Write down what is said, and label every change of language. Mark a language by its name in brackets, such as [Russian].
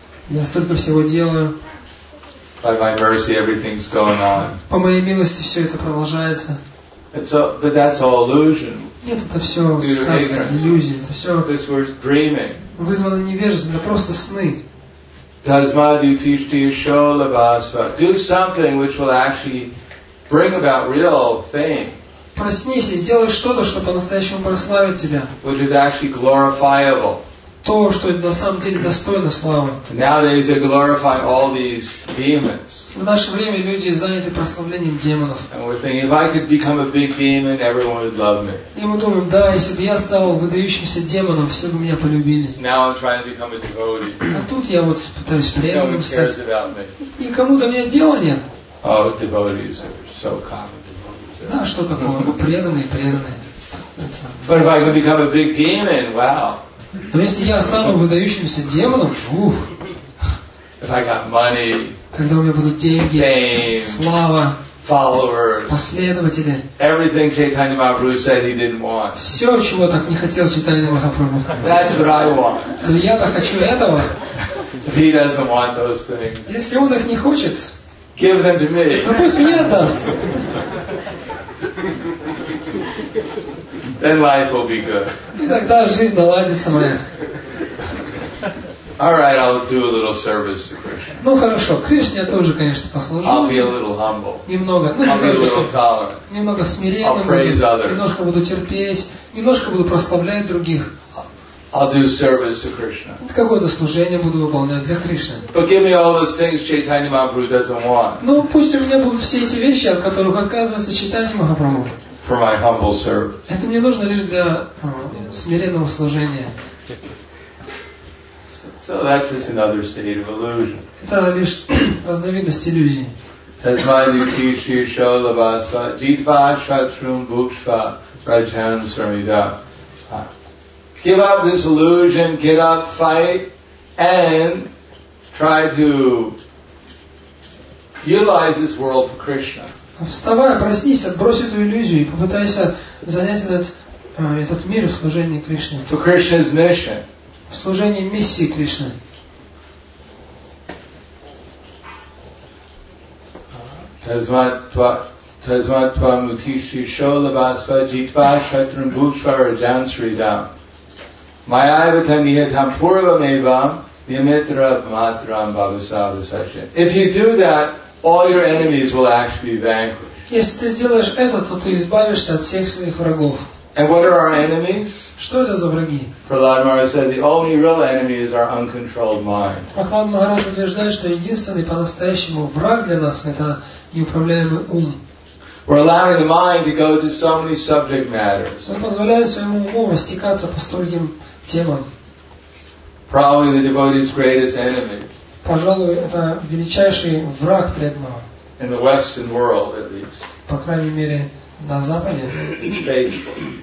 [Russian] Я столько всего делаю. [English] By my mercy, everything's going on. [Russian] По моей милости все это продолжается. [English] But that's all illusion. [Russian] Нет, это все сказка, иллюзия. Это все вызвано невежеством. Это просто сны. [Sanskrit] Tasmadi tishti shola bhasva. [English] Do something which will actually bring about real fame. [Russian] Проснись и сделай что-то, что по-настоящему прославит тебя. [English] Which is actually glorifiable. [Russian] То, что на самом деле достойно славы. [English] Nowadays they glorify all these demons. [Russian] В наше время люди заняты прославлением демонов. [English] And we're thinking, if I could become a big demon, everyone would love me. [Russian] И мы думаем, да, если бы я стал выдающимся демоном, все бы меня полюбили. [English] Now I'm trying to become a devotee. [Russian] А тут я вот пытаюсь преданным стать. [English] No one cares about me. [Russian] И кому-то мне дела нет. [English] Oh, devotees are so common. [Russian] Да, что такое? Мы преданные. [English] But if I could become a big demon, wow. [Russian] Но если я стану выдающимся демоном, ух! [English] If I got money, [Russian] когда у меня будут деньги, [English] fame, [Russian] слава, [English] followers, [Russian] последователи, [English] everything Chaitanya Mahaprabhu said he didn't want. [Russian] Все, чего так не хотел Чайтанья Махапрабху. [English] That's what I want. [Russian] Но я-то хочу этого. [English] If he doesn't want those things, [Russian] если он их не хочет, [English] give them to me. [Russian] То пусть мне отдаст. [English] Then life will be good. [Russian] И тогда жизнь наладится моя. [English] All right, I'll do a little service to Krishna. [Russian] Ну хорошо, Кришне я тоже, конечно, послужу. [English] I'll be a little humble. [Russian] Немного. [English] I'll be a little tolerant. [Russian] Немного смиренным. [English] I'll praise others. [Russian] Немножко буду терпеть. Немножко буду прославлять других. [English] I'll do service to Krishna. [Russian] Какое-то служение буду выполнять для Кришны. [English] But give me all those things Chaitanya Mahaprabhu doesn't want. [Russian] Ну пусть у меня будут все эти вещи, от которых отказывается Чайтанья Махапрабху. [English] For my humble service. [Russian] Это мне нужно лишь для смиренного служения. [English] So that's just another state of illusion. [Russian] Это лишь разновидность иллюзии. [Sanskrit] Tasmadi tishti shola bhasva jitva shatrum bhukshva rajam sarmida. [English] Give up this illusion, get up, fight, and try to realize this world for Krishna. [Russian] Вставай, проснись, отбрось эту иллюзию и попытайся занять этот мир в служении Кришне. [English] For Krishna's mission. [Russian] В служении миссии Кришны. [Sanskrit] Tasmatva mutishri sholabhasva jitva shatran bhushvara jansri dam. Mayavatam ihatam purvam evam vimitra matram bhavasava sashya. [English] If you do that, all your enemies will actually be vanquished. [Russian] Если ты сделаешь это, то ты избавишься от всех своих врагов. [English] And what are our enemies? [Russian] Что это за враги? [English] Prahlad Maharaj said the only real enemy is our uncontrolled mind. [Russian] Prahlad Maharaj утверждает, что единственный по-настоящему враг для нас это неуправляемый ум. [English] We're allowing the mind to go to so many subject matters. [Russian] Мы позволяем своему уму растекаться по стольким темам. [English] Probably the devotee's greatest enemy. [Russian] Пожалуй, это величайший враг преданного. [English] In the Western world, at least. [Russian] По крайней мере, на Западе. [English] It's Facebook.